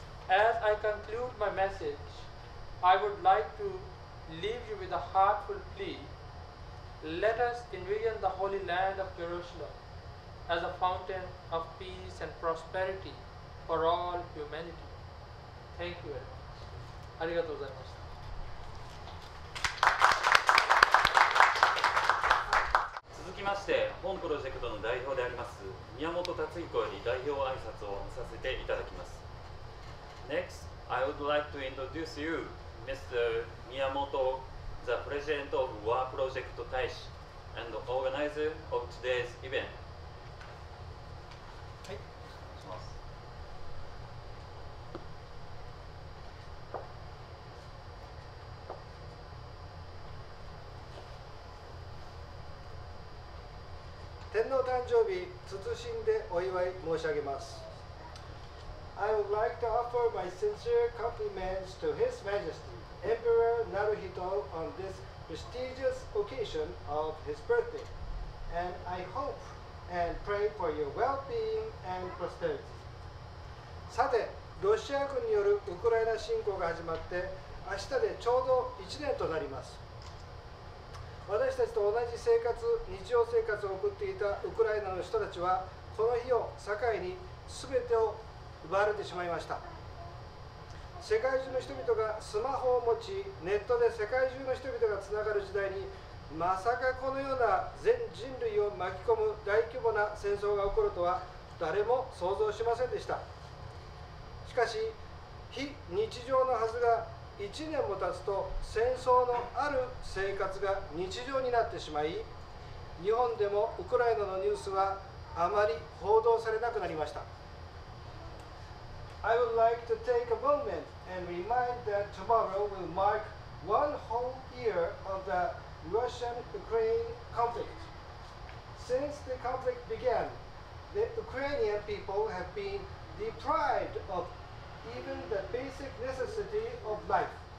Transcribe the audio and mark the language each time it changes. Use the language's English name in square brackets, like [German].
[English] As I conclude my message, I would like to leave you with a heartfelt plea. Let us envision the holy land of Jerusalem. As a fountain of peace and prosperity for all humanity. Thank you very much. [Japanese] ありがとうございました。続きまして、本プロジェクトの代表であります宮本辰彦より代表挨拶をさせていただきます。 [English] Next, I would like to introduce you, Mr. Miyamoto, the President of War Project Taishi and organizer of today's event. [Japanese] 天皇誕生日、謹んでお祝い申し上げます。 [English] I would like to offer my sincere compliments to His Majesty, Emperor Naruhito on this prestigious occasion of his birthday. And I hope and pray for your well-being and prosperity. [Japanese] さて、ロシア軍によるウクライナ侵攻が始まって、明日でちょうど1年となります。私たちと同じ生活、日常生活を送っていたウクライナの人たちは、この日を境に全てを奪われてしまいました。世界中の人々がスマホを持ち、ネットで世界中の人々がつながる時代に、まさかこのような全人類を巻き込む大規模な戦争が起こるとは誰も想像しませんでした。しかし、非日常のはずが1年も経つと戦争のある生活が日常になってしまい、日本でもウクライナのニュースはあまり報道されなくなりました。 [English] I would like to take a moment and remind that tomorrow will mark one whole year of the Russian-Ukraine conflict. Since the conflict began, the Ukrainian people have been deprived of even the basic necessity of life.